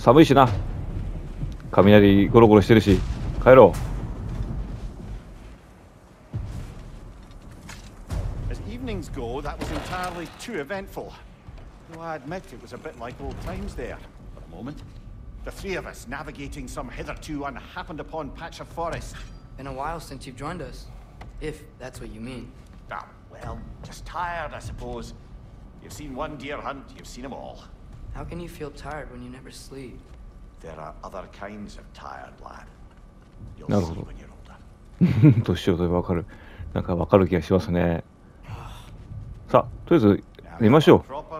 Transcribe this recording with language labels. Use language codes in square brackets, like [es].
[ja] 寒いしな、雷ゴロゴロしてるし帰ろう。 [en] That was entirely too eventful. Though I admit it was a bit like old times there. For a moment, the three of us navigating some hitherto unhappened upon patch of forest. Been a while since you've joined us, if that's what you mean. Ah, well, just tired, I suppose. You've seen one deer hunt, you've seen them all. How can you feel tired when you never sleep? There are other kinds of tired, lad. You'll see when you're older. [ja] 年を取ればわかる。なんかわかる気がしますね。さあ、とりあえず寝ましょう。